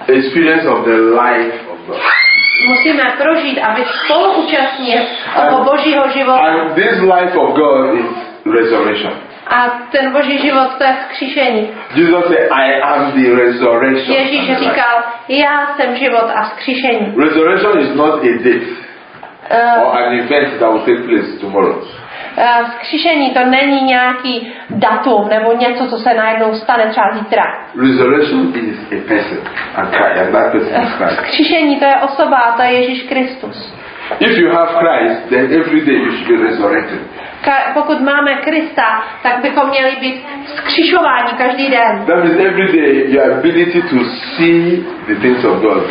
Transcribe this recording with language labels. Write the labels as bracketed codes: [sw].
[en] Experience of the life of God. [cs] Musíme prožít a být spoluúčastní toho Božího života. [en] And this life of God is resurrection. [cs] A ten Boží život, to je vzkříšení. [en] Jesus said, I am the resurrection. [cs] Ježíš říkal, já jsem život a vzkříšení. [en] Resurrection is not a date or an event that will take place tomorrow. [cs] Vzkříšení to není nějaký datum nebo něco, co se najednou stane třeba zítra. [en] Resurrection is a person, and that person is Christ. [cs] Vzkříšení to je osoba, a to je Ježíš Kristus. [en] If you have Christ, then every day you should be resurrected. [cs] Pokud máme Krista, tak bychom měli být vzkřišováni každý den. [en] That means every day your ability to see the things of God.